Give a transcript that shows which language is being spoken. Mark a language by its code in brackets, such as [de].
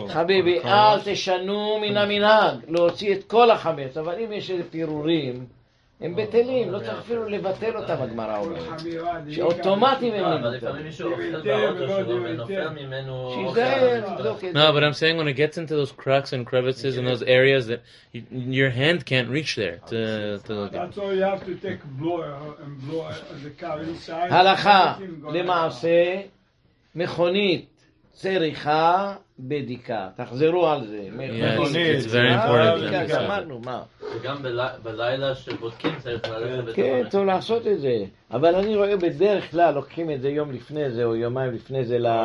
[he] חביבי, אל תשנו מן המנהג, להוציא את כל החמץ, אבל אם יש פירורים, הם בטלים, לא צריך אפילו לבטל אותם, הגמרא אומרת. שאוטומטים הם נמדים. אבל לפעמים מישהו אוכל באוטו שלו ונופל ממנו אוכל. שיזהר, תבדוק את זה. [en] No, but I'm saying when it gets into those cracks and crevices and those areas that your hand can't reach there. That's all you have to take blower and blower the car inside. [he] הלכה, למעשה, מכונית צריכה בדיקה. תחזרו על זה. [en] It's very important. [he] אמרנו, מה? וגם בלילה שבודקים צריך ללכת. כן, טוב לעשות את זה. אבל אני רואה בדרך כלל לוקחים את זה יום לפני זה או יומיים לפני זה.